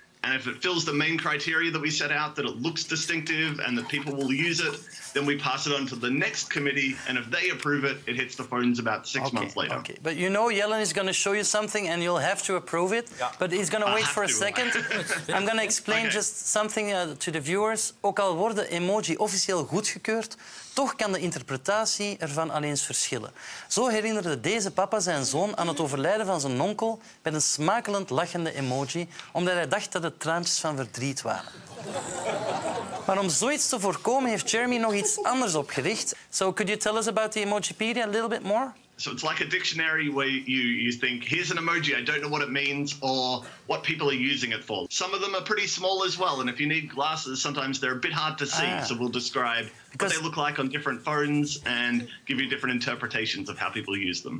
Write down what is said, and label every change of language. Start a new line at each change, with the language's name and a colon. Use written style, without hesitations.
English: And if it fills the main criteria that we set out, that it looks distinctive and that people will use it, then we pass it on to the next committee. And if they approve it, it hits the phones about six months later. Okay. But you know Yellen is going to show you something and you'll have to approve it. Yeah. But he's going to wait for a second. I'm going to explain just something to the viewers.
Dutch: Ook al worden emoji officieel goedgekeurd, toch kan de interpretatie ervan alleen verschillen. Zo herinnerde deze papa zijn zoon aan het overlijden van zijn onkel met een smakelend lachende emoji, omdat hij dacht dat het traantjes van verdriet waren. Maar om zoiets te voorkomen heeft Jeremy nog iets anders opgericht.
English: So could you tell us about the Emojipedia a little bit more? So it's like a dictionary where you think, here's an emoji, I don't know what it means or what people are using it for. Some of them are pretty small as well, and if you need glasses, sometimes they're a bit hard to see, so we'll describe what they look like on different phones and give you different interpretations of how people use them.